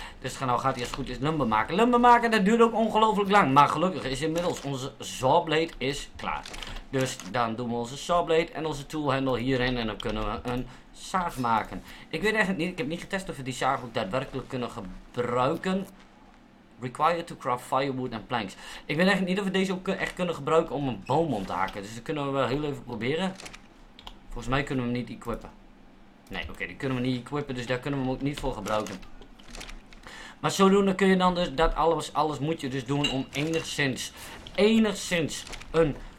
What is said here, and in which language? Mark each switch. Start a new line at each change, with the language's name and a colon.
Dutch: Dus nou gaat hij als goed is lumber maken. Lumber maken, dat duurt ook ongelooflijk lang. Maar gelukkig is inmiddels onze sawblade is klaar. Dus dan doen we onze sawblade en onze toolhandle hierin en dan kunnen we een zaag maken. Ik weet eigenlijk niet, ik heb niet getest of we die zaag ook daadwerkelijk kunnen gebruiken.
English: Required to craft firewood and planks.
Dutch: Ik weet eigenlijk niet of we deze ook echt kunnen gebruiken om een boom om te hakken. Dus dat kunnen we wel heel even proberen. Volgens mij kunnen we hem niet equippen. Nee, oké, die kunnen we niet equippen, dus daar kunnen we hem ook niet voor gebruiken. Maar zodoende kun je dan dus dat alles moet je dus doen om enigszins een...